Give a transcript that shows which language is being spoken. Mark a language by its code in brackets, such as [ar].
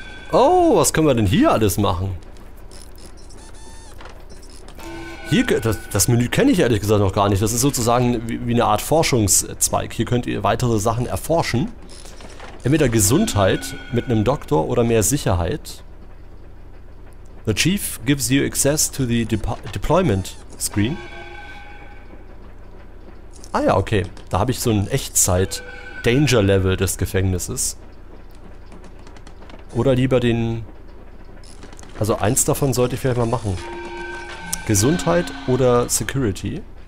[de] Oh, was können wir denn hier alles machen? Hier, das Menü kenne ich ehrlich gesagt noch gar nicht. Das ist sozusagen wie eine Art Forschungszweig. Hier könnt ihr weitere Sachen erforschen. Entweder Gesundheit mit einem Doktor oder mehr Sicherheit. [en] The Chief gives you access to the Deployment Screen. [de] Ah ja, okay. Da habe ich so ein Echtzeit-Danger-Level des Gefängnisses. Oder lieber den... Also eins davon sollte ich vielleicht mal machen. Gesundheit oder Security?